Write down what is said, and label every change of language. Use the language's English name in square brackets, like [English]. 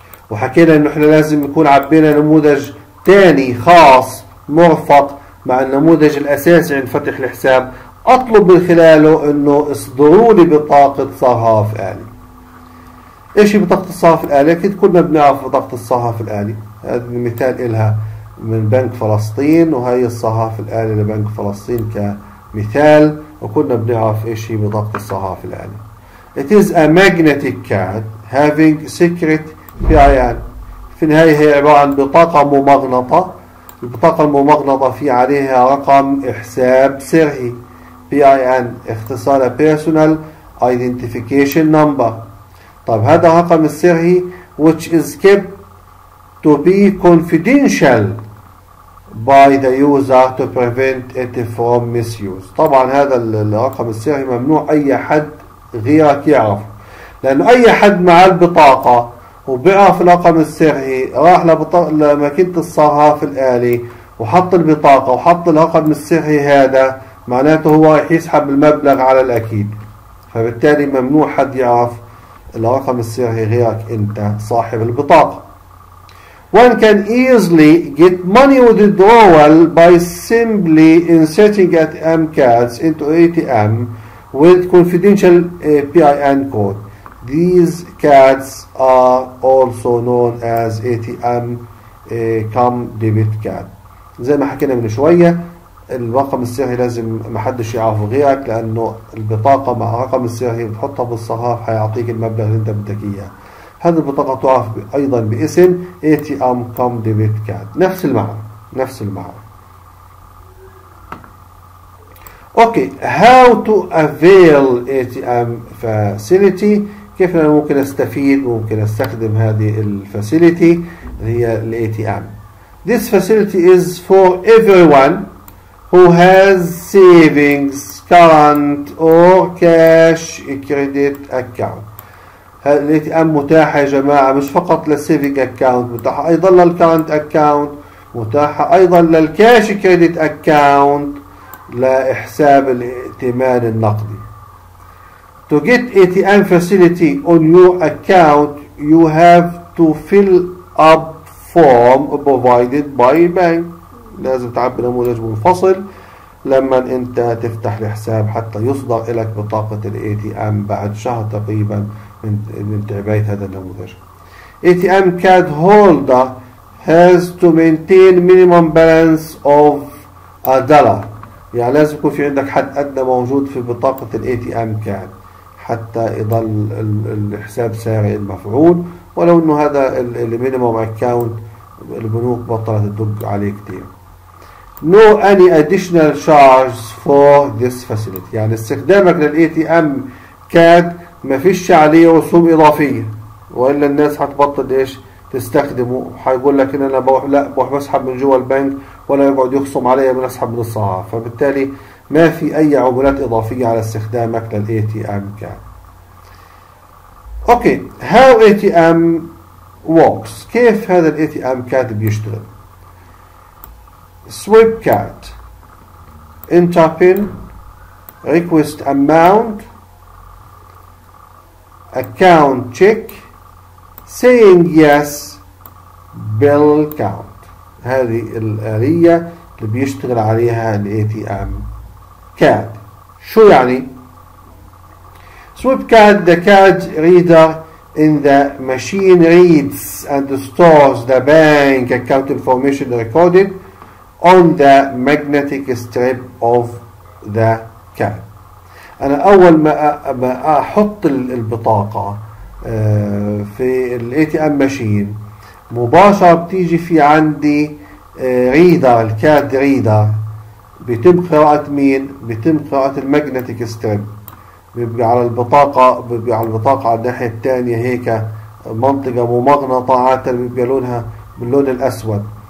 [Arabic] وحكينا انه احنا لازم يكون عبينا نموذج ثاني خاص مرفق مع النموذج الاساسي عند فتح الحساب، اطلب من خلاله انه اصدروا لي بطاقه صراف آلي. ايش هي بطاقة الصرف الآلي؟ أكيد كلنا بنعرف بطاقة الصرف الآلي، هذا مثال إلها من بنك فلسطين، وهي الصرف الآلي لبنك فلسطين كمثال، وكلنا بنعرف ايش هي بطاقة الصرف الآلي. [English] It is a magnetic card having secret PIN. [Arabic] في النهاية هي عبارة عن بطاقة ممغنطة، البطاقة الممغنطة في عليها رقم حساب سري، PIN اختصار Personal Identification Number. طيب هذا رقم السري [English] which is kept to be confidential by the user to prevent it from misuse. [Arabic] طبعا هذا الرقم السري ممنوع اي حد غيرك يعرف، لان اي حد معه البطاقة وبيعرف الرقم السري راح لماكينة الصراف الالي وحط البطاقة وحط الرقم السري هذا، معناته هو راح يسحب المبلغ على الاكيد، فبالتالي ممنوع حد يعرف الرقم السري غيرك انت صاحب البطاقة. [English] One can easily get money withdrawal by simply inserting ATM cards into ATM with confidential PIN code. These cards are also known as ATM cum debit card. [Arabic] زي ما حكينا من شوية الرقم السري لازم ما حدش يعرفه غيرك، لانه البطاقه مع رقم السري بتحطها بالصحاف حيعطيك المبلغ اللي انت بدك اياه. هذه البطاقه تعرف ايضا باسم اي تي ام كوم ديبت كارد، نفس المعنى نفس المعنى. اوكي، [English] how to avail A T M facility, [Arabic] كيف انا ممكن استفيد، ممكن استخدم هذه الفاسيليتي اللي هي الاي تي ام. [English] This facility is for everyone who has savings, current or cash credit account. [Arabic] الاي تي ام متاحة يا جماعة مش فقط للسيفنج اكاونت، متاحة ايضا للكرنت اكاونت، متاحة ايضا للكاش كريدت اكاونت لحساب الائتمان النقدي. [English] To get ATM facility on your account you have to fill up form provided by bank. [Arabic] لازم تعبي نموذج منفصل لما انت تفتح الحساب حتى يصدر لك بطاقة الاي تي ام بعد شهر تقريبا من تعباية هذا النموذج. [English] ATM card holder has to maintain minimum balance of a dollar. [Arabic] يعني لازم يكون في عندك حد ادنى موجود في بطاقة الاي تي ام كارد حتى يظل الحساب ساري المفعول، ولو انه هذا المينيموم اكاونت البنوك بطلت تدق عليه كثير. [English] No any additional charges for this facility. [Arabic] يعني استخدامك للاي تي ام كارد ما فيش عليه رسوم اضافية، والا الناس هتبطل ايش تستخدمه، حيقول لك ان انا بروح لا بروح بسحب من جوا البنك ولا يقعد يخصم علي من اسحب من الصراحه، فبالتالي ما في اي عمولات اضافيه على استخدامك للاي تي ام كارد. [English] okay, how A T M works, [Arabic] كيف هذا الاي تي ام كارد بيشتغل؟ [English] Swipe card, enter pin, request amount, account check, saying yes bill count. [Arabic] هذه الآلية اللي بيشتغل عليها الـ ATM CAD. شو يعني؟ [English] Swip CAD the CAD reader in the machine reads and stores the bank account information recorded on the magnetic strip of the CAD. [Arabic] أنا أول ما أحط البطاقة في الـ ATM ماشين مباشرة بتيجي في عندي ريدر، الكارد ريدر بيتم قراءة مين؟ بيتم قراءة الماجنتيك ستريب، بيبقى على البطاقة، بيبقى على البطاقة على الناحية الثانية هيك منطقة ممغنطة عادة بيبقى لونها باللون الأسود.